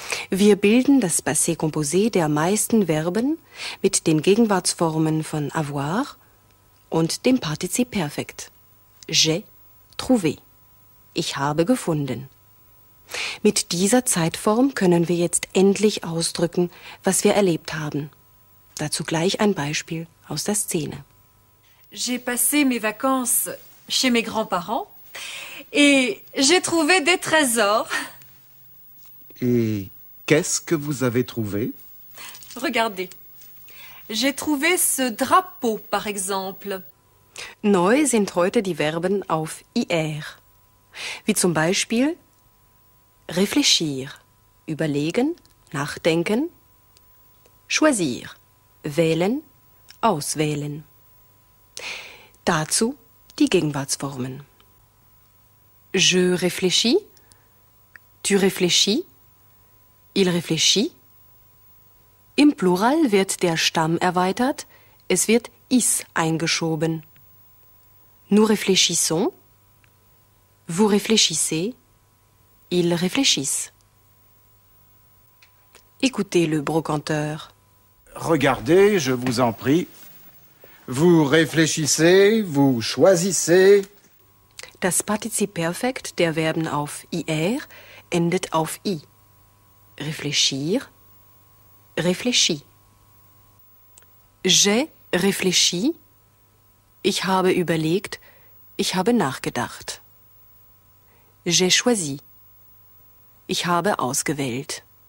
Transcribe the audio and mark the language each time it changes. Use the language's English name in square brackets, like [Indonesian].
[German] Wir bilden das passé composé der meisten Verben mit den Gegenwartsformen von avoir und dem Partizip Perfekt. [French] J'ai trouvé. [German] Ich habe gefunden. Mit dieser Zeitform können wir jetzt endlich ausdrücken, was wir erlebt haben. Dazu gleich ein Beispiel aus der Szene. [French] J'ai passé mes vacances chez mes grands-parents et j'ai trouvé des trésors. Et qu'est-ce que vous avez trouvé? Regardez. J'ai trouvé ce drapeau, par exemple. [German] Neu sind heute die Verben auf IR. Wie zum Beispiel réfléchir, überlegen, nachdenken, choisir, wählen, auswählen. Dazu die Gegenwartsformen. [French] Je réfléchis, tu réfléchis, il réfléchit. [German] Im Plural wird der Stamm erweitert, es wird is eingeschoben. [French] Nous réfléchissons, vous réfléchissez, ils réfléchissent. Écoutez le brocanteur. Regardez, je vous en prie. Vous réfléchissez, vous choisissez. [German] Das Partizip Perfekt der Verben auf IR endet auf I. [French] Réfléchir, réfléchi. J'ai réfléchi. [German] Ich habe überlegt, ich habe nachgedacht. [French] J'ai choisi. [German] Ich habe ausgewählt.